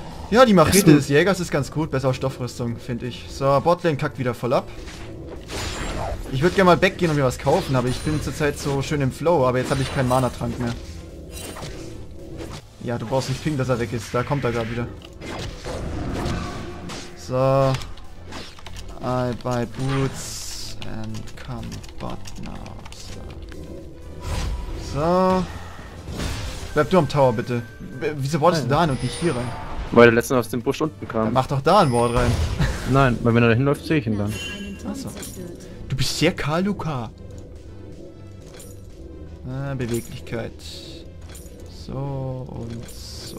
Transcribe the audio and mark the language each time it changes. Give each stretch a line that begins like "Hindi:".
German: Ja, die Machete des Jägers ist ganz gut. Besser auf Stoffrüstung, finde ich. So, Botlane kackt wieder voll ab. Ich würde gerne mal weggehen und mir was kaufen, aber ich bin zurzeit so schön im Flow, aber jetzt habe ich keinen Mana-Trank mehr. Ja, du brauchst nicht pingen, dass er weg ist. Da kommt er gerade wieder. So.
English: I buy boots and come bot now.
German: So. So. Bleib du am Tower, bitte. Wieso wolltest du da hin und nicht hier rein? Weil der letzte aus dem Busch unten kam. Ja, mach doch da ein Ward rein. Nein, weil wenn er da hinläuft, sehe ich ihn dann. Achso. Du bist sehr kahl, Luca. Beweglichkeit. So und so.